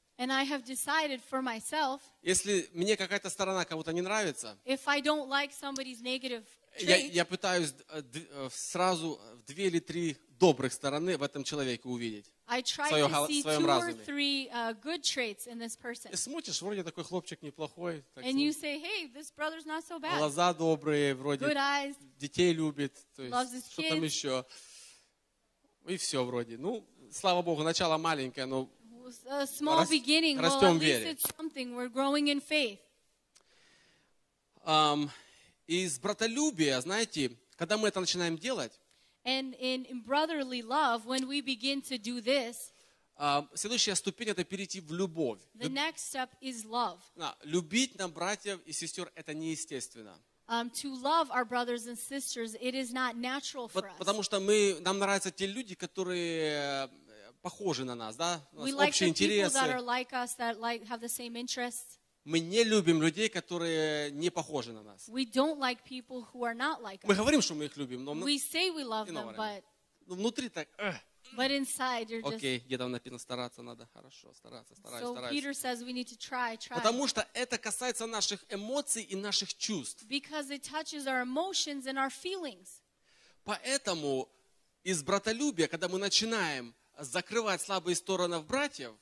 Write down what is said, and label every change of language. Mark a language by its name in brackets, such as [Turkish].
[English] And I have decided for myself, [Russian] если мне какая-то сторона кого-то не нравится, [English] if I don't like somebody's negative trait, [Russian] я пытаюсь сразу в две или три добрых стороны в этом человеке увидеть. [English] I try to see two or three good traits in this person. [Russian] И смотришь, вроде такой хлопчик неплохой. [English] And you say, hey, this brother's not so bad. [Russian] Глаза добрые, вроде. [English] Good eyes. [Russian] Детей любит. То есть, [English] loves his [Russian] что kids. Там еще? И все вроде. Ну, слава Богу, начало маленькое, но [English] small beginning, [Russian] растем в вере. [English] It's something. We're growing in faith. [Russian] Из братолюбия, знаете, когда мы это начинаем делать, [English] and in brotherly love, when we begin to do this, [Russian] следующая ступень это перейти в любовь. [English] The next step is love. [Russian] Любить нам братьев и сестер это неестественно. [English] To love our brothers and sisters, it is not natural for us. [Russian] Потому что нам нравятся те люди, которые похожи на нас, да? [English] We like the people that are like us, that like have the same interests. [Russian] Мы не любим людей, которые не похожи на нас. [English] We don't like people who are not like us. [Russian] Мы говорим, что мы их любим, но [English] we say we love them, but [Russian] внутри так [English] But inside you're okay, just... [Russian] где-то написано, стараться надо. Хорошо, стараться, стараюсь, [English] so [Russian] стараюсь. [English] Peter says we need to try, try. [Russian] Потому что это касается наших эмоций и наших чувств. [English] Because it touches our emotions and our feelings. [Russian] Поэтому из братолюбия, когда мы начинаем закрывать слабые стороны в братьев,